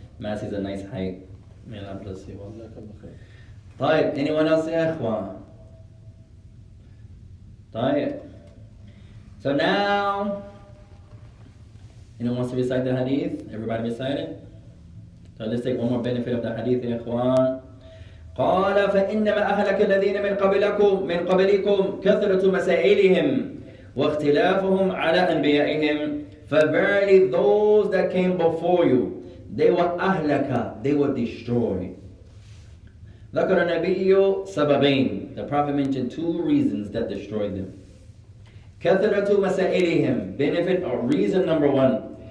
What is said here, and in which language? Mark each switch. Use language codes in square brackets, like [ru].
[en] Massey's a nice height. May Allah bless you. [ar] طيب, [en] anyone else, ya ikhwan? [ar] طيب. [en] So now, anyone wants to recite the hadith? Everybody recite it? So let's take one more benefit of the hadith, ya ikhwan. [ar] قال فإنما أهلك الذين من قبلكم كثرة مسائلهم واختلافهم على أنبيائهم. [en] فبالي, those that came before you, they were أهلك, they were destroyed. [ar] ذكر النبي سببين. [en] The Prophet mentioned 2 reasons that destroyed them. [ar] كثرة مسائلهم. [en] Benefit or reason number 1.